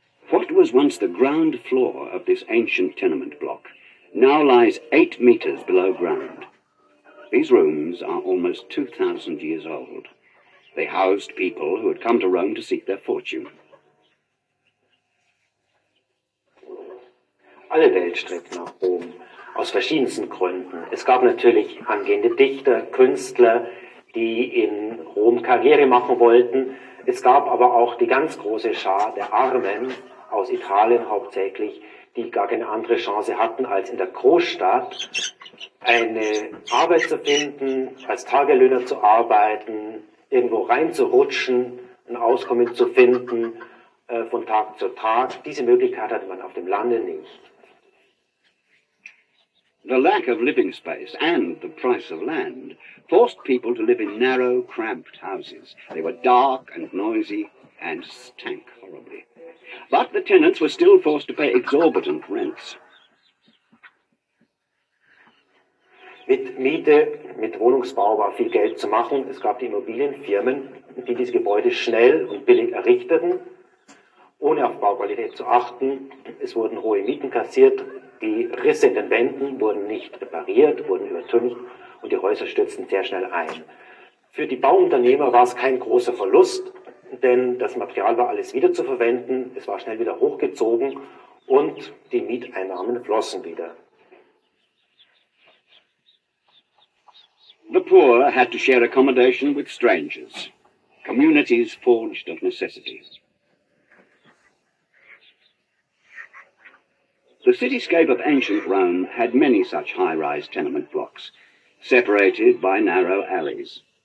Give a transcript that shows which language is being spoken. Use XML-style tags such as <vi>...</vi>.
<en>What was once the ground floor of this ancient tenement block now lies 8 meters below ground. These rooms are almost 2,000 years old. They housed people who had come to Rome to seek their fortune.</en> <de>Alle Welt strebt nach Rom, aus verschiedensten Gründen. Es gab natürlich angehende Dichter, Künstler, die in Rom Karriere machen wollten. Es gab aber auch die ganz große Schar der Armen, aus Italien hauptsächlich, die gar keine andere Chance hatten, als in der Großstadt eine Arbeit zu finden, als Tagelöhner zu arbeiten, irgendwo reinzurutschen, ein Auskommen zu finden, von Tag zu Tag. Diese Möglichkeit hatte man auf dem Lande nicht.</de> <en>The lack of living space and the price of land forced people to live in narrow, cramped houses. They were dark and noisy and stank horribly. But the tenants were still forced to pay exorbitant rents.</en> <de>Mit Miete, mit Wohnungsbau war viel Geld zu machen. Es gab die Immobilienfirmen, die diese Gebäude schnell und billig errichteten, ohne auf Bauqualität zu achten. Es wurden hohe Mieten kassiert, die Risse in den Wänden wurden nicht repariert, wurden übertüncht und die Häuser stürzten sehr schnell ein. Für die Bauunternehmer war es kein großer Verlust, denn das Material war alles wiederzuverwenden, es war schnell wieder hochgezogen und die Mieteinnahmen flossen wieder.</de> <en>The poor had to share accommodation with strangers, communities forged of necessity. The cityscape of ancient Rome had many such high-rise tenement blocks, separated by narrow alleys.</en>